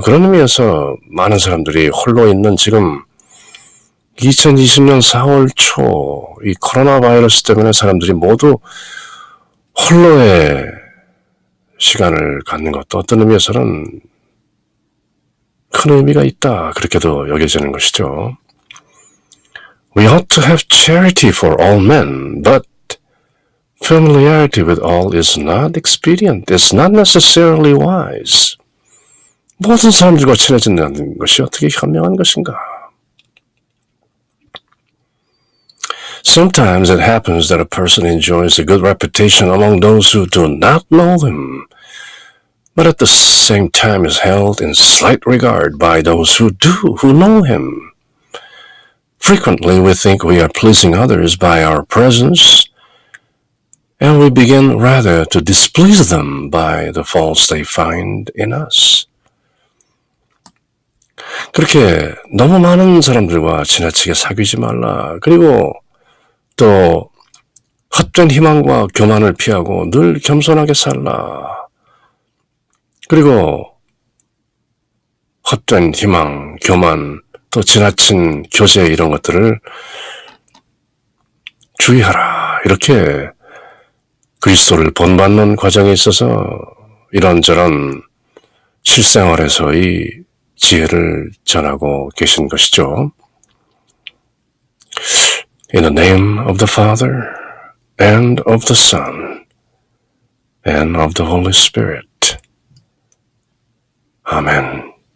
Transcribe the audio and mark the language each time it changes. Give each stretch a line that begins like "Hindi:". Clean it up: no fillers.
Korean: 그런 의미에서 많은 사람들이 홀로 있는 지금 2020년 4월 초 이 코로나 바이러스 때문에 사람들이 모두 홀로의 시간을 갖는 것도 어떤 의미에서는 큰 의미가 있다. 그렇게도 여겨지는 것이죠.
English: We ought to have charity for all men, but familiarity with all is not expedient. It's not necessarily wise.
Korean: 모든 사람들과 친해진다는 것이 어떻게 현명한 것인가?
English: Sometimes it happens that a person enjoys a good reputation among those who do not know him, but at the same time is held in slight regard by those who do, who know him. Frequently, we think we are pleasing others by our presence, and we begin rather to displease them by the faults they find in us.
Korean: 그렇게 너무 많은 사람들과 지나치게 사귀지 말라. 그리고 또 헛된 희망과 교만을 피하고 늘 겸손하게 살라. 그리고 헛된 희망, 교만, 또 지나친 교제 이런 것들을 주의하라. 이렇게 그리스도를 본받는 과정에 있어서 이런저런 실생활에서의 지혜를 전하고 계신 것이죠.
English: In the name of the Father, and of the Son, and of the Holy Spirit. Amen.